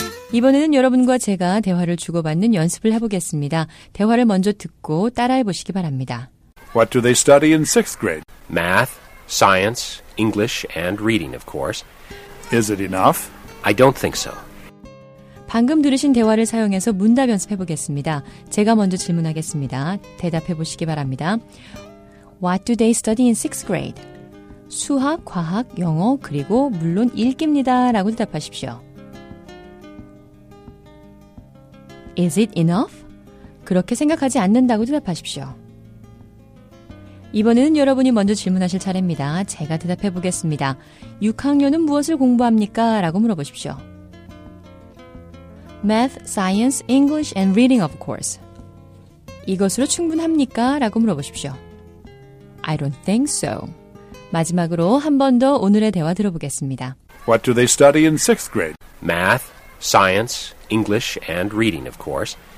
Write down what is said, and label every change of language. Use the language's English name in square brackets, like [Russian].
[Korean] 이번에는 여러분과 제가 대화를 주고받는 연습을 해보겠습니다. 대화를 먼저 듣고 따라해보시기 바랍니다. [English] What do they study in sixth grade? Math, science, English, and reading, of course. Is it enough? I don't think so. [Korean] 방금 들으신 대화를 사용해서 문답 연습해 보겠습니다. 제가 먼저 질문하겠습니다. 대답해 보시기 바랍니다. [English] What do they study in sixth grade? [Korean] 수학, 과학, 영어, 그리고 물론 읽기입니다. 라고 대답하십시오. [English] Is it enough? [Korean] 그렇게 생각하지 않는다고 대답하십시오. 이번에는 여러분이 먼저 질문하실 차례입니다. 제가 대답해 보겠습니다. 6학년은 무엇을 공부합니까? 라고 물어보십시오. [English] Math, Science, English, and Reading, of course. [Korean] 이것으로 충분합니까? 라고 물어보십시오. [English] I don't think so. [Korean] 마지막으로 한 번 더 오늘의 대화 들어보겠습니다. [English] What do they study in sixth grade? Math, Science, English, and Reading, of course.